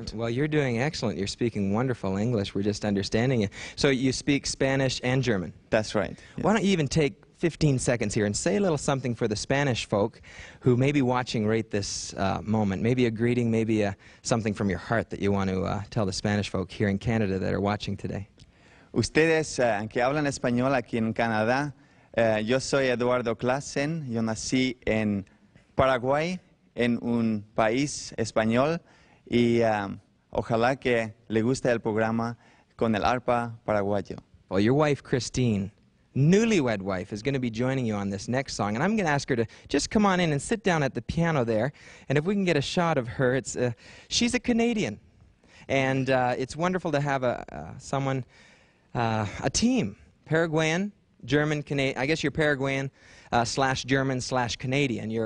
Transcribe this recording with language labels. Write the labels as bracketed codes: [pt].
[en] Right. Well, you're doing excellent. You're speaking wonderful English. We're just understanding it. So you speak Spanish and German? That's right. Yes. Why don't you even take 15 seconds here and say a little something for the Spanish folk who may be watching right this moment. Maybe a greeting, maybe something from your heart that you want to tell the Spanish folk here in Canada that are watching today. [es] Ustedes, que hablan español aquí en Canadá, yo soy Eduardo Klassen. Yo nací en Paraguay, en un país español, y ojalá que le guste el programa con el arpa paraguayo. [en] Well, your wife, Christine, newlywed wife, is going to be joining you on this next song, and I'm going to ask her to just come on in and sit down at the piano there, and if we can get a shot of her, she's a Canadian, and it's wonderful to have a team, Paraguayan, German, Canadian. I guess you're Paraguayan slash German slash Canadian.